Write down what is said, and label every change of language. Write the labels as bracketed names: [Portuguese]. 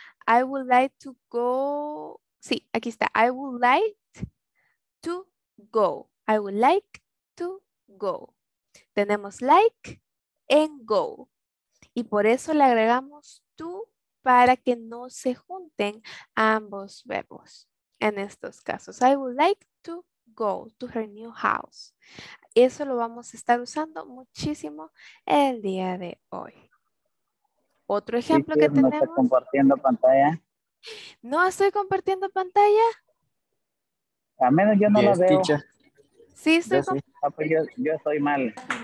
[English] I would like to go... [Spanish] Sí, aquí está. [English] I would like to go. I would like to go. Tenemos like and go. [Spanish] Y por eso le agregamos to para que no se junten ambos verbos en estos casos. [English] I would like to go to her new house. [Spanish] Eso lo vamos a estar usando muchísimo el día de hoy. Otro ejemplo que tenemos. ¿Estás compartiendo pantalla? ¿No estoy compartiendo pantalla? A menos yo no la veo. Sí, estoy yo, yo estoy mal.